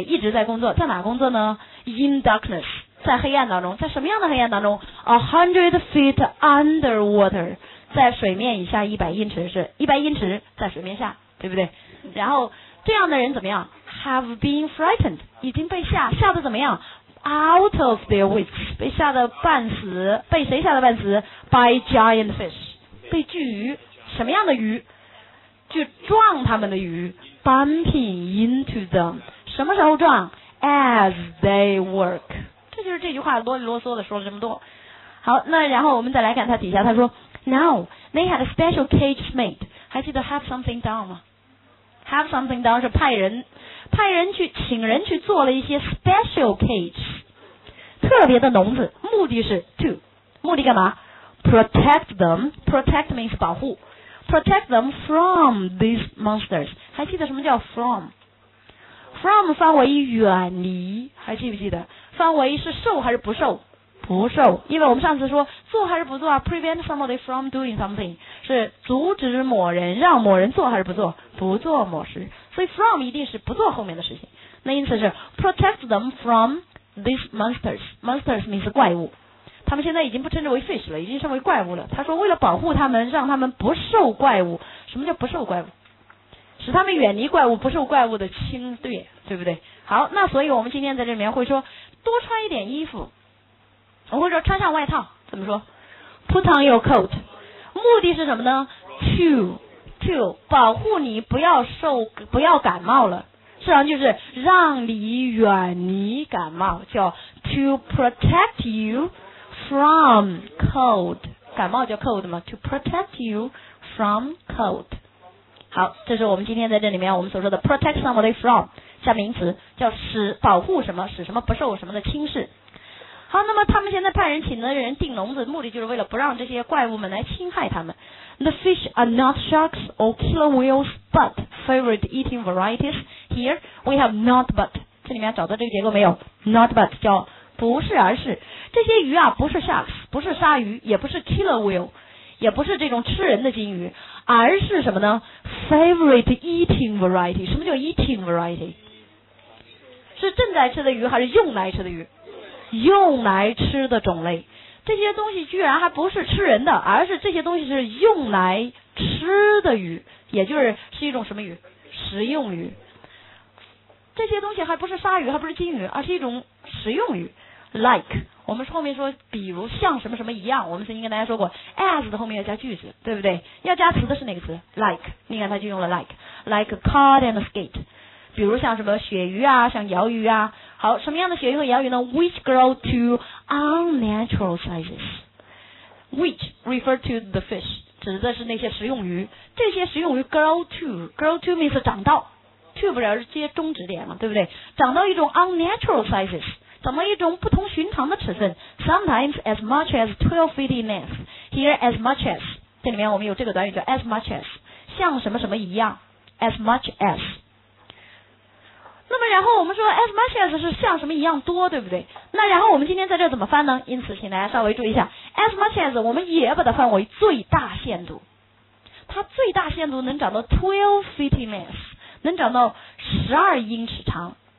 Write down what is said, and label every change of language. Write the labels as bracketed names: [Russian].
[Chinese] 一直在工作，在哪工作呢？ in darkness，在黑暗当中。在什么样的黑暗当中？ 100 feet underwater，在水面以下100英尺，是100英尺在水面下，对不对？然后这样的人怎么样？ have been frightened，已经被吓得怎么样？ Out of their wits，被吓得半死。被谁吓得半死？ By giant fish，被巨鱼。什么样的鱼？就撞他们的鱼。 Bumping into them，什么时候撞？ [English] As they work。 [Chinese] 这就是这句话啰里啰嗦的说了这么多。好，那然后我们再来看他底下，他说 Now they had a special cage made。还记得 have something done 吗？ Have something done 是派人去请人去做了一些 special cage，特别的笼子，目的是 to， 目的干嘛？ [English] protect them， protect means 保护， protect them from these monsters。 [Chinese] 还记得什么叫 from？ from 范围远离，还记不记得范围是受还是不受？不受。因为我们上次说做还是不做啊， prevent somebody from doing something，是阻止某人，让某人做还是不做？不做某事。所以 from 一定是不做后面的事情。那因此是 protect them from these monsters， monsters means 怪物。他们现在已经不称之为 fish 了，已经称为怪物了。他说为了保护他们，让他们不受怪物。什么叫不受怪物？使他们远离怪物，不受怪物的侵略，对不对？好，那所以我们今天在这里面会说多穿一点衣服。我会说穿上外套，怎么说？ [English] Put on your coat。目的是什么呢？ [Chinese] To 保护你不要感冒了，实际上就是让你远离感冒，叫 To protect you from cold。感冒叫 cold 吗？ To protect you from cold。好，这是我们今天在这里面我们所说的 protect somebody from，像名词叫使保护什么，使什么不受什么的侵蚀。好，那么他们现在派人请的人钉笼子，目的就是为了不让这些怪物们来侵害他们。 [English] The fish are not sharks or killer whales but favorite eating varieties. [Chinese] Here we have not but，这里面找到这个结构没有？ not but 叫不是而是。这些鱼啊，不是 sharks， 不是鲨鱼，也不是 killer whale，也不是这种吃人的鲸鱼，而是什么呢？ [English] favorite eating variety。 [Chinese] 什么叫 eating variety？是正在吃的鱼还是用来吃的鱼？用来吃的种类。这些东西居然还不是吃人的，而是这些东西是用来吃的鱼，也就是一种什么鱼？食用鱼。这些东西还不是鲨鱼，还不是鲸鱼，而是一种食用鱼。 like， 我们后面说比如像什么什么一样，我们曾经跟大家说过 as 的后面要加句子，对不对？要加词的是哪个词？like。你看他就用了 like cod and skate，比如像什么鳕鱼啊，像鳐鱼啊。好，什么样的鳕鱼和鳐鱼呢？ [English] which grow to unnatural sizes， which refer to the fish，指的是那些食用鱼。 [Chinese] 这些食用鱼 grow to means 长到， to 不了是接终止点了，对不对？长到一种 unnatural sizes，长到一种不同寻常的尺寸。 [English] sometimes as much as 12 feet in length。 here as much as，这里面我们有这个短语叫 as much as，像什么什么一样， as much as。 [Chinese] 那么然后我们说 as much as 是像什么一样多，对不对？那然后我们今天在这怎么翻呢？因此请大家稍微注意一下， as much as 我们也把它翻为最大限度。它最大限度能长到 12 feet in length，能长到12英尺长。